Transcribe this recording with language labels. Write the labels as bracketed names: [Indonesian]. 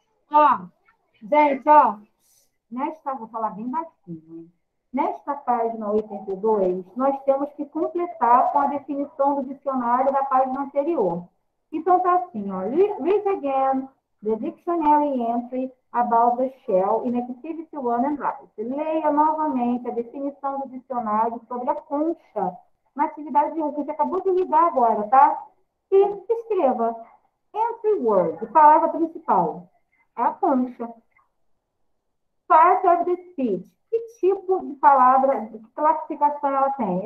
[Portuguese] Ó, gente, ó. Nesta, vou falar bem baixinho. Nesta página 82, nós temos que completar com a definição do dicionário da página anterior. Então tá assim, ó. [English] Read again the dictionary entry about the shell in activity one and write. [Portuguese] Leia novamente a definição do dicionário sobre a concha na atividade 1, que você acabou de ligar agora, tá? E escreva entry word, palavra principal, a concha. Part of the speech. Que tipo de palavra, que classificação ela tem?